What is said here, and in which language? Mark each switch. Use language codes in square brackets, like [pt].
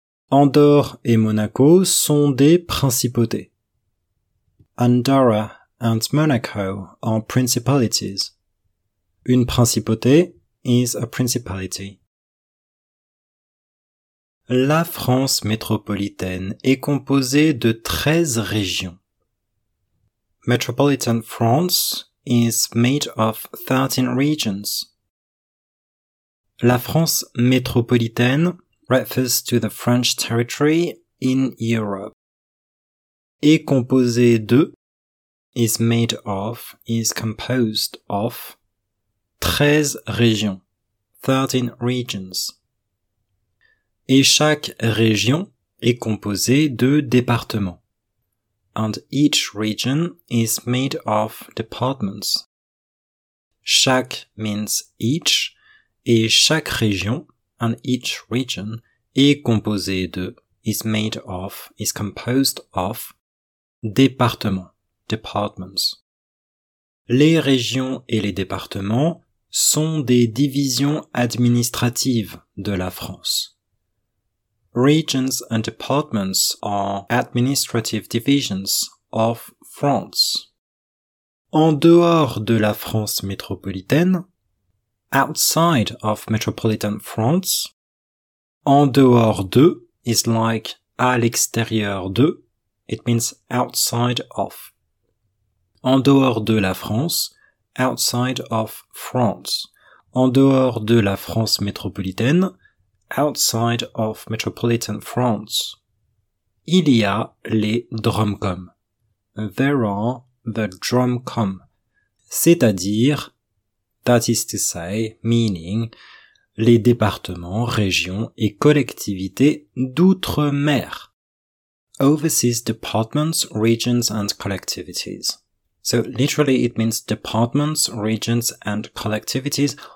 [fr] Andorre et Monaco sont des principautés. [en] Andorra and Monaco are principalities. [fr] Une principauté [en] is a principality. [fr] La France métropolitaine est composée de 13 régions. [en] Metropolitan France is made of 13 regions. [fr] La France métropolitaine [en] refers to the French territory in Europe. [fr] Est composée de, [en] is made of, is composed of, 13 régions, 13 regions. [fr] Et chaque région est composée de départements. [en] And each region is made of departments. Chaque means each, [fr] et chaque région, [en] and each region, [fr] est composée de, [en] is made of, is composed of, départements, departments. [fr] Les régions et les départements sont des divisions administratives de la France. [en] Regions and departments are administrative divisions of France. [fr] En dehors de la France métropolitaine, [en] outside of metropolitan France, [fr] en dehors de [en] is like [fr] à l'extérieur de, [en] it means outside of. [fr] En dehors de la France, [en] outside of France. [fr] En dehors de la France métropolitaine, [en] outside of metropolitan France. [fr] Il y a les DROMCOM. [en] There are the DROMCOM. [fr] C'est-à-dire, [en] that is to say, meaning, [fr] les départements, régions et collectivités d'outre-mer. [en] Overseas departments, regions and collectivities. So literally it means departments, regions and collectivities